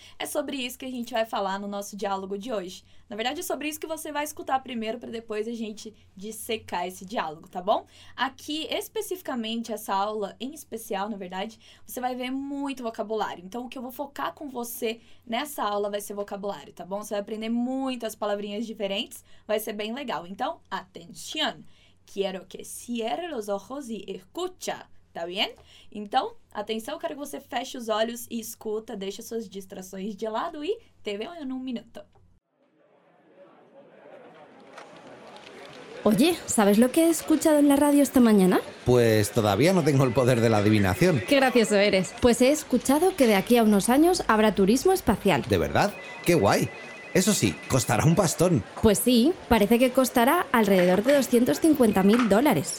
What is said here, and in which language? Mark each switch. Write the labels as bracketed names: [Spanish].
[Portuguese] É sobre isso que a gente vai falar no nosso diálogo de hoje. Na verdade, é sobre isso que você vai escutar primeiro, para depois a gente dissecar esse diálogo, tá bom? Aqui, especificamente, essa aula em especial, na verdade, você vai ver muito vocabulário. Então, o que eu vou focar com você nessa aula vai ser vocabulário, tá bom? Você vai aprender muitas palavrinhas diferentes, vai ser bem legal. [Spanish] Então, atención! Quiero que cierre los ojos y escucha, [Portuguese] tá [Spanish] bien? [Portuguese] Então, atenção, eu quero que você feche os olhos e escuta, deixa suas distrações de lado e [Spanish] te veo en un minuto. Oye, ¿sabes lo que he escuchado en la radio esta mañana? Pues todavía no tengo el poder de la adivinación. ¡Qué gracioso eres! Pues he escuchado que de aquí a unos años habrá turismo espacial. ¿De verdad? ¡Qué guay! Eso sí, costará un pastón. Pues sí, parece que costará alrededor de $250.000.